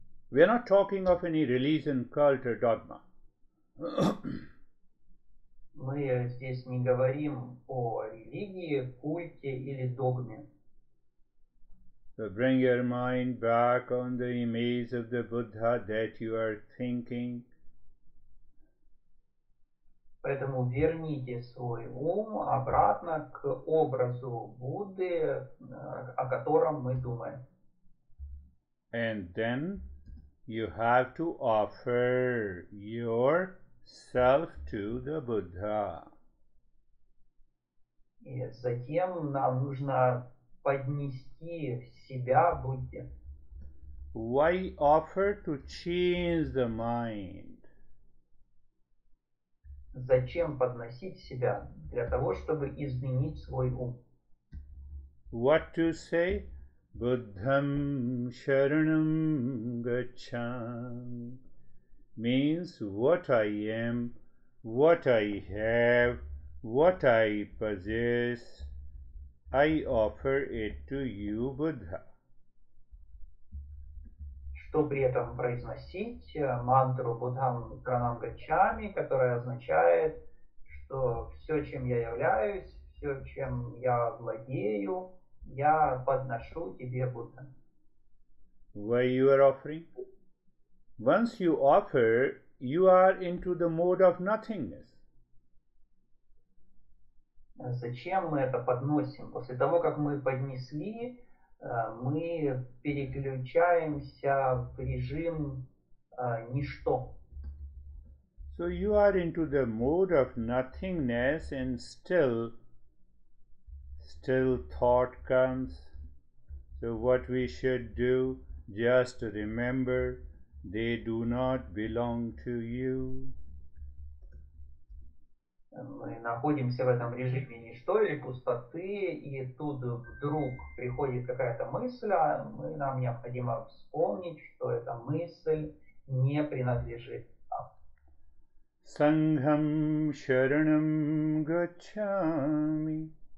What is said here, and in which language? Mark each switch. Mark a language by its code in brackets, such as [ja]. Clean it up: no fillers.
[en] We are not talking of any religion, cult or dogma. [ru] Мы здесь не говорим о религии, культе или догме. [en] So bring your mind back on the image of the Buddha that you are thinking. [ru] Поэтому верните свой ум обратно к образу Будды, о котором мы думаем. [en] And then you have to offer your self to the Buddha. [ru] И затем нам нужно поднести себя Будде. [en] Why offer to change the mind? [ru] Зачем подносить себя? Для того, чтобы изменить свой ум. [en] What to say? [pi] Buddham Sharanam Gacchami [en] means what I am, what I have, what I possess, I offer it to you, Buddha. [ru] Что при этом произносить мантру [pi] Buddham Sharanam Gacchami, [ru] которая означает, что все, чем я являюсь, все, чем я владею, я подношу тебе, Будда. [en] Why you are offering? Once you offer, you are into the mode of nothingness. [ru] Зачем мы это подносим? После того, как мы поднесли, мы переключаемся в режим ничто. [en] So you are into the mode of nothingness and still thought comes, so what we should do, just remember, they do not belong to you. [ru] Мы находимся в этом режиме ничто или пустоты, и тут вдруг приходит какая-то мысль, нам необходимо вспомнить, что эта мысль не принадлежит нам. [pi] Sangham Sharanam Gacchami.